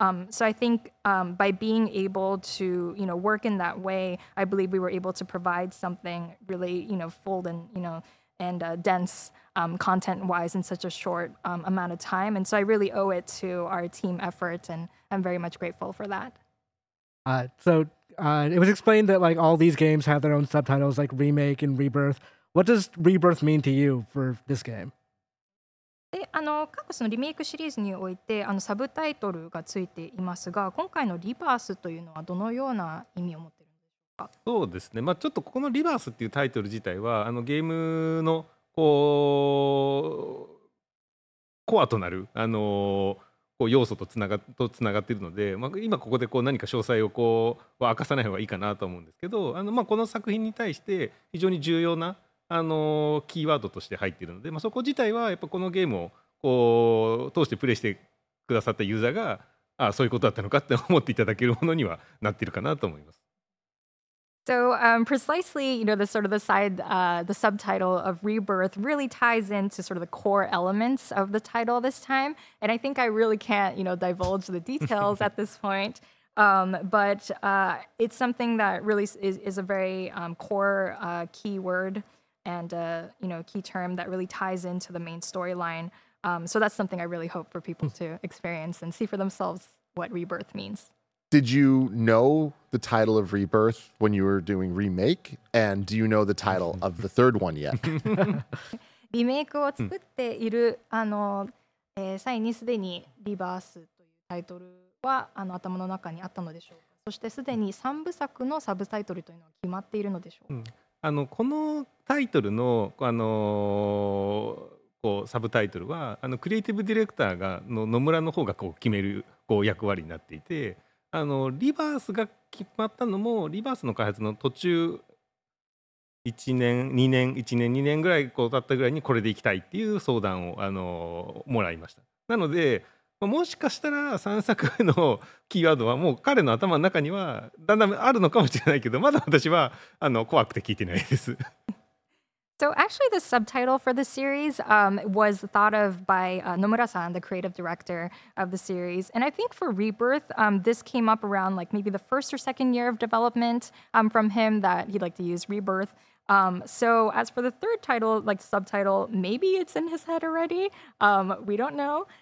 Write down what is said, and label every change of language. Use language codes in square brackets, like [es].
[en] So I think by being able to, you know, work in that way, I believe we were able to provide something really, you know, full and, you know, and dense content-wise in such a short amount of time. And so I really owe it to our team effort, and I'm very much grateful for that. It was explained that, like, all these games have their own subtitles, like Remake and Rebirth. What does Rebirth mean to you for this game? [ja] であの各そのリメイクシリーズにおいてあのサブタイトルがついていますが、今回のリバースというのはどのような意味を持っているんでしょうか。そうですね、まあ、ちょっとここのリバースっていうタイトル自体はあのゲームのこうコアとなる、こう要素とつながっているので、まあ、今ここでこう何か詳細をこう明かさない方がいいかなと思うんですけど、あの、まあ、この作品に対して非常に重要なキーワードとして入っているので、まあ、そこ自体はやっぱこのゲームをこう通してプレイしてくださったユーザーが、ああそういうことだったのかって思っていただけるものにはなっているかなと思います。 [en] So, precisely, you know, the sort of the side, the subtitle of Rebirth really ties into sort of the core elements of the title this time. And I think I really can't, you know, divulge the details at this point. But it's something that really is a very core keyword. and a you know, key term that really ties into the main storyline. So that's something I really hope for people to experience and see for themselves what Rebirth means. Did you know the title of Rebirth when you were doing Remake? And do you know the title of the third one yet? [ja] Remake を作っている、あの、際にすでにリバースというタイトルはあの頭の中にあったのでしょうか。そしてすでに3部作のサブタイトルというのは決まっているのでしょうか。あのこのタイトルの、こうサブタイトルはあのクリエイティブディレクターがの野村の方がこう決めるこう役割になっていて、あのリバースが決まったのもリバースの開発の途中1年2年ぐらいこう経ったぐらいにこれでいきたいっていう相談をあのもらいました。なのでもしかしたら3作のキーワードはもう彼の頭の中にはだんだんあるのかもしれないけど、まだ私はあの怖くて聞いてないです。 [en] So actually the subtitle for the series was thought of by Nomura-san, the creative director of the series. And I think for Rebirth, this came up around like maybe the first or second year of development from him that he'd like to use Rebirth. So as for the third title, like subtitle, maybe it's in his head already. We don't know.